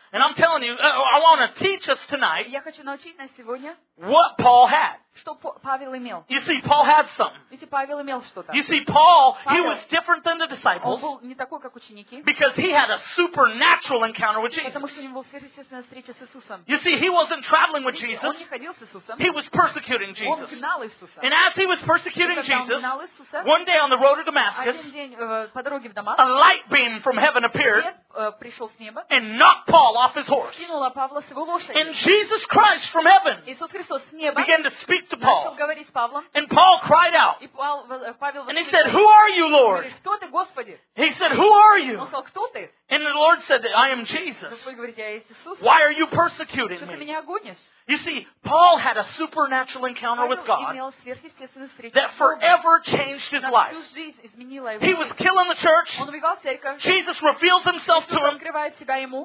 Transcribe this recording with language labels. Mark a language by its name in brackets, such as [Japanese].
[English] And I'm telling you, I want to teach us tonight. [Russian] Я хочу научить нас сегодня. [English] What Paul had. [Russian] Что Павел имел. [English] You see, Paul had something. [Russian] Видите, Павел имел что-то. [English] You see, Paul, he was different than the disciples. [Russian] Он был не такой, как ученики. [English] Because he had a supernatural encounter with Jesus. [Russian] Потому что у него была сверхъестественная встреча с Иисусом. [English] You see, he wasn't traveling with Jesus. [Russian] Он не ходил с Иисусом. [English] He was persecuting Jesus. [Russian] Он гнал Иисуса. [English] And as he was persecuting Jesus, [Russian] он гнал Иисуса, [English] one day on the road to Damascus, [Russian] один день, по дороге в Дамаск, [English] a light beam from heaven appeared. [Russian] Пришел с неба, [English] and knocked Paul off his horse. [Russian] Кинула Павла с его лошади. [English] And Jesus Christ from heaven, [Russian] Иисус Христос с неба, [English] began to speak to Paul. [Russian] Начал говорить с Павлом. [English] And Paul cried out. [Russian] И Павел, Павел воскликнул. [English] And he said, who are you, Lord? [Russian] Кто ты, Господи? [English] He said, who are you? [Russian] Он сказал, кто ты? [English] And the Lord said that I am Jesus. Why are you persecuting me? You see, Paul had a supernatural encounter with God that forever changed his life. He was killing the church. Jesus reveals himself to him.